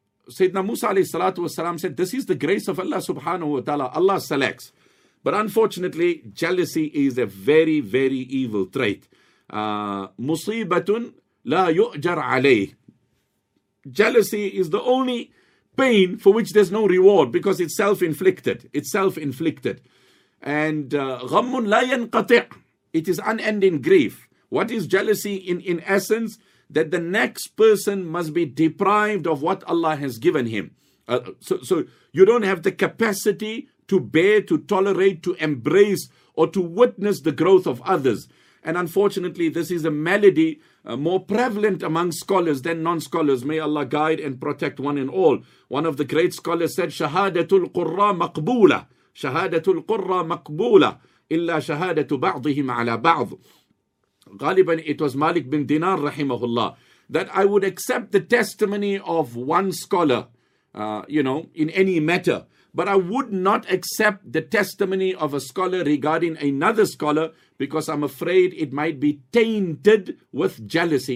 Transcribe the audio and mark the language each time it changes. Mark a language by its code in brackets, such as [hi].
[en] Sayyidina Musa alayhi salatu wasalam said, this is the grace of Allah subhanahu wa ta'ala. Allah selects. But unfortunately, jealousy is a very, very evil trait. [ar] Musibatun la yu'jar alayh. [en] Jealousy is the only pain for which there's no reward, because it's self-inflicted. It's self-inflicted. [ar] And غَمٌّ لَا يَنْقَطِعْ. [en] It is unending grief. What is jealousy in essence? That the next person must be deprived of what Allah has given him. So you don't have the capacity to bear, to tolerate, to embrace, or to witness the growth of others. And unfortunately, this is a malady more prevalent among scholars than non-scholars. May Allah guide and protect one and all. One of the great scholars said, [ar] شَهَادَةُ الْقُرَّى مَقْبُولَةً. شهادت القرى مقبولة إلا شهادة بعضهم على بعض. غالبا [en] it was Malik bin Dinar [ar] رحمه الله, [en] that I would accept the testimony of one scholar, in any matter, but I would not accept the testimony of a scholar regarding another scholar, because I'm afraid it might be tainted with jealousy.